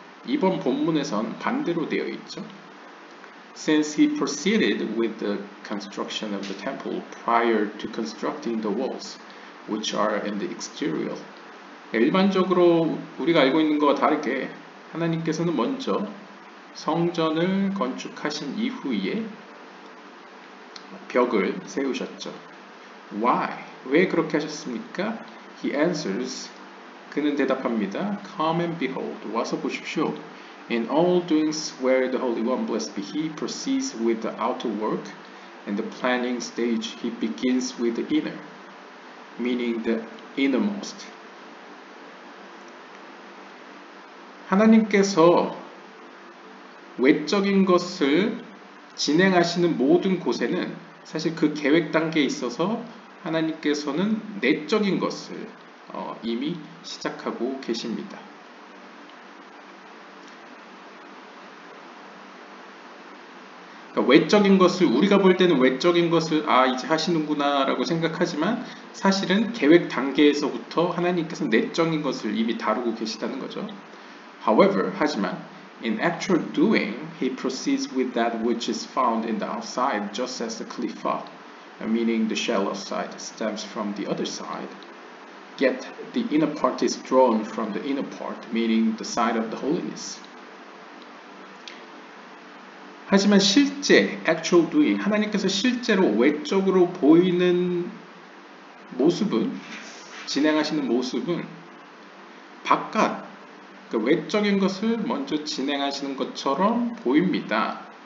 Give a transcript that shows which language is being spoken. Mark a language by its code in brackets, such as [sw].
[ko] 이번 본문에선 반대로 되어 있죠. [en] Since he proceeded with the construction of the temple prior to constructing the walls, which are in the exterior. [ko] 일반적으로 우리가 알고 있는 것과 다르게 하나님께서는 먼저 성전을 건축하신 이후에 벽을 세우셨죠. [en] Why? [ko] 왜 그렇게 하셨습니까? [en] He answers, [ko] 그는 대답합니다. [en] Come and behold, [ko] 와서 보십시오. [en] In all doings where the Holy One, blessed be He, proceeds with the outer work and the planning stage, He begins with the inner, meaning the innermost. [ko] 하나님께서 외적인 것을 진행하시는 모든 곳에는 사실 그 계획 단계에 있어서 하나님께서는 내적인 것을 이미 시작하고 계십니다. 그러니까 외적인 것을 우리가 볼 때는 외적인 것을 아 이제 하시는구나 라고 생각하지만 사실은 계획 단계에서부터 하나님께서는 내적인 것을 이미 다루고 계시다는 거죠. [en] However, [ko] 하지만 [en] In actual doing, he proceeds with that which is found in the outside, just as the klipha, meaning the shallow side, stems from the other side. Yet the inner part is drawn from the inner part, meaning the side of the holiness. [ko] 하지만 실제, [en] actual doing, [ko] 하나님께서 실제로 외적으로 보이는 모습은, 진행하시는 모습은 바깥, 그 외적인 것을 먼저 진행하시는 것처럼 보입니다.